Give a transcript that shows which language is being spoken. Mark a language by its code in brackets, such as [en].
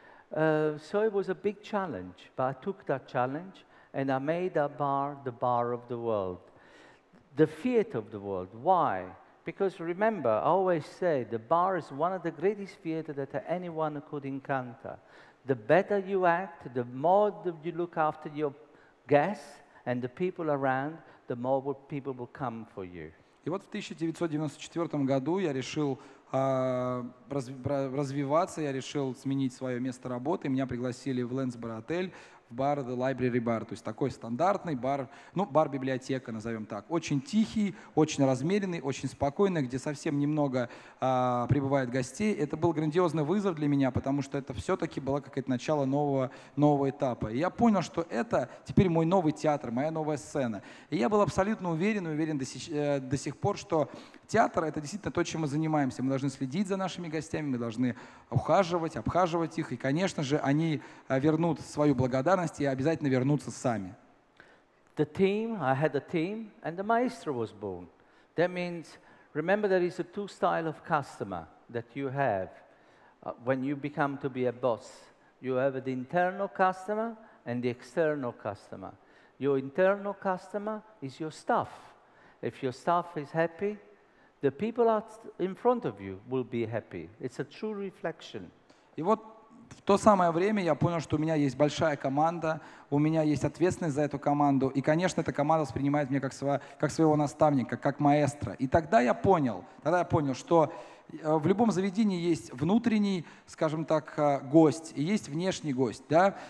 [en] So it was a big challenge, but I took that challenge and I made that bar the bar of the world, the theater of the world. Why? Because remember, I always say the bar is one of the greatest theaters that anyone could encounter. The better you act, the more you look after your guests and the people around, the more people will come for you. [ru] И вот в 1994 году я решил развиваться, я решил сменить свое место работы. Меня пригласили в Лэнсборо отель, в бар The Library Bar. То есть такой стандартный бар, ну, бар-библиотека, назовем так. Очень тихий, очень размеренный, очень спокойный, где совсем немного прибывает гостей. Это был грандиозный вызов для меня, потому что это все-таки было какое-то начало нового этапа. И я понял, что это теперь мой новый театр, моя новая сцена. И я был абсолютно уверен до сих пор, что театр — это действительно то, чем мы занимаемся. Мы должны следить за нашими гостями, мы должны ухаживать, обхаживать их. И, конечно же, они вернут свою благодарность и обязательно вернутся сами. [en] The team, I had a team, and the maestro was born. That means, remember, there is a two style of customer that you have when you become to be a boss. You have the internal customer and the external customer. Your internal customer is your staff. If your staff is happy, the people in front of you will be happy. It's a true reflection. [ru] И вот в то самое время я понял, что у меня есть большая команда, у меня есть ответственность за эту команду, и, конечно, эта команда воспринимает меня как своего наставника, как маэстро. И тогда я понял, что в любом заведении есть внутренний, скажем так, гость, и есть внешний гость, да?